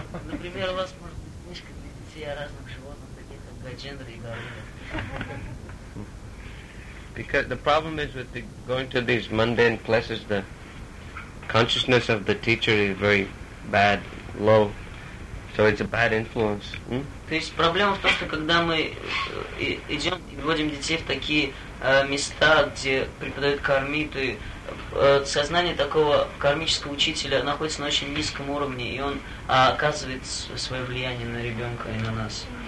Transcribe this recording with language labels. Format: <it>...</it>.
<ru>Например, у вас может быть книжка для детей о разных животных, таких как Гаджендра и Гаруда.</ru> <en>Because the problem is with going to these mundane classes, the consciousness of the teacher is very bad, low. So it's a bad influence.</en> <ru>То есть проблема в том, что когда мы идем и вводим детей в такие места, где преподают карми, то сознание такого кармического учителя находится на очень низком уровне, и он оказывает свое влияние на ребенка и на нас.</ru>